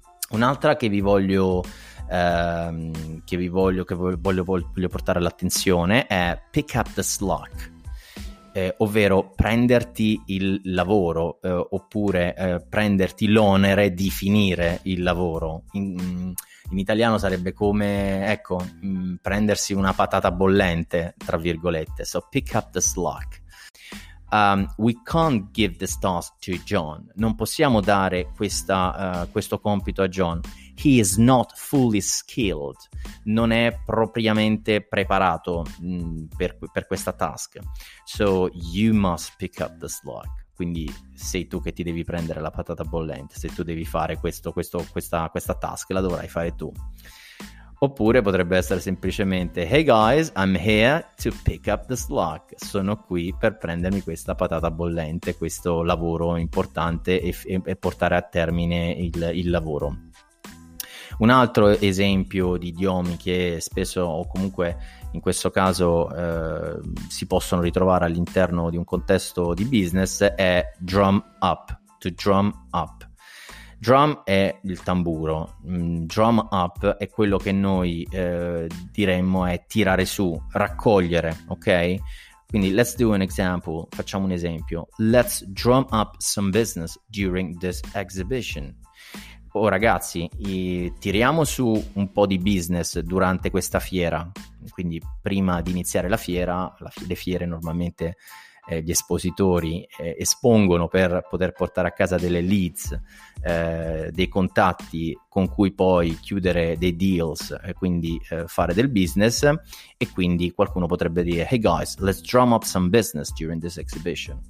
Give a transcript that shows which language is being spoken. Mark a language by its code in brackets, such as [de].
[it] Un'altra che vi voglio voglio portare all'attenzione è pick up the slack, ovvero prenderti il lavoro, oppure prenderti l'onere di finire il lavoro. In italiano sarebbe come, ecco, prendersi una patata bollente, tra virgolette. [en] So pick up the slack. We can't give this task to John. [it] Non possiamo dare questo compito a John. [en] He is not fully skilled. [it] Non è propriamente preparato per questa task. [en] So you must pick up the slack. [it] Quindi sei tu che ti devi prendere la patata bollente. Se tu devi fare questa task, la dovrai fare tu. Oppure potrebbe essere semplicemente: [en] hey guys, I'm here to pick up the slack. [it] Sono qui per prendermi questa patata bollente, questo lavoro importante e portare a termine il lavoro. Un altro esempio di idiomi che spesso, o comunque in questo caso, si possono ritrovare all'interno di un contesto di business è drum up, to drum up. Drum è il tamburo, drum up è quello che noi diremmo è tirare su, raccogliere, ok? Quindi [en] let's do an example, [it] facciamo un esempio. [en] Let's drum up some business during this exhibition. [it] Oh ragazzi, tiriamo su un po' di business durante questa fiera. Quindi prima di iniziare la fiera, le fiere normalmente gli espositori espongono per poter portare a casa delle leads, dei contatti con cui poi chiudere dei deals e quindi fare del business, e quindi qualcuno potrebbe dire: [en] hey guys, let's drum up some business during this exhibition.